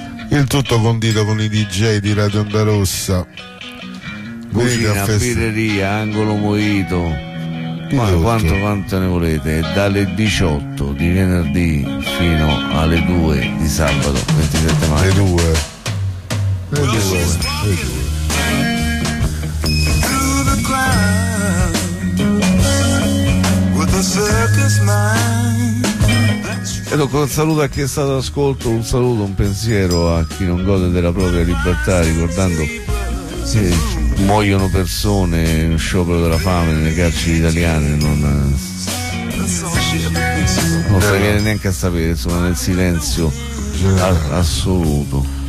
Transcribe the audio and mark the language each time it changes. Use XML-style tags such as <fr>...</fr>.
<it>Il tutto condito con i DJ di Radio Onda Rossa. Cucina, birreria, Angolo Mojito. Ma quanto ne volete, dalle 18 di venerdì fino alle 2 di sabato 27 maggio. Le due.</it> <en>Through the crowd with the circus mind.</en> <it>Ed ecco, un saluto a chi è stato ascolto, un saluto, un pensiero a chi non gode della propria libertà, ricordando sì. Muoiono persone, un sciopero della fame nelle carceri italiane, non non si viene neanche a sapere, insomma, nel silenzio assoluto.</it>